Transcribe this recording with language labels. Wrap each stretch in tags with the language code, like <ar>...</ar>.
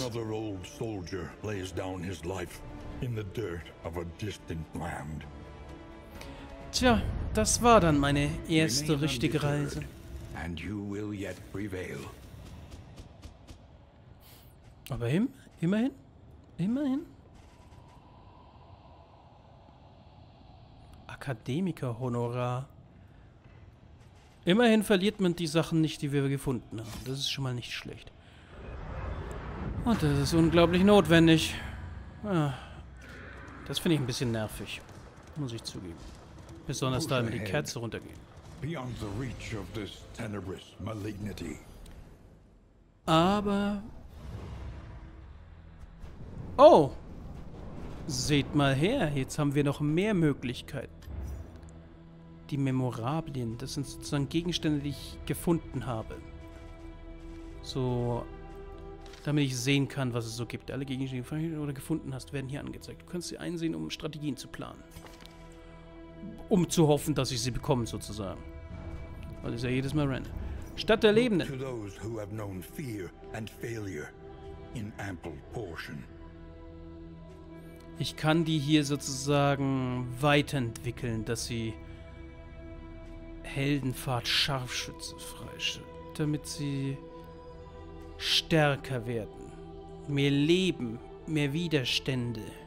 <en>Another old soldier lays down his life in the dirt of a distant land.</en> <de>Tja, das war dann meine erste richtige Reise.</de> <en>And you will yet prevail.</en> <de>Aber immerhin. Akademiker-Honorar. Immerhin verliert man die Sachen nicht, die wir gefunden haben. Das ist schon mal nicht schlecht. Und das ist unglaublich notwendig. Ja, das finde ich ein bisschen nervig. Muss ich zugeben. Besonders da, wenn die Kerze runtergeht.</de> <en>Beyond the reach of this tenebrous malignity.</en> <de>Aber... Oh! Seht mal her, jetzt haben wir noch mehr Möglichkeiten. Die Memorabilien, das sind sozusagen Gegenstände, die ich gefunden habe. So, damit ich sehen kann, was es so gibt. Alle Gegenstände, die du gefunden hast, werden hier angezeigt. Du kannst sie einsehen, um Strategien zu planen. Um zu hoffen, dass ich sie bekomme, sozusagen. Weil ich ja jedes Mal renne. Stadt der Lebenden.</de> <en>To those who have known fear and failure in ample portion.</en> <de>Ich kann die hier sozusagen weiterentwickeln, dass sie Heldenfahrt Scharfschütze freischalten, damit sie stärker werden. Mehr Leben, mehr Widerstände.</de>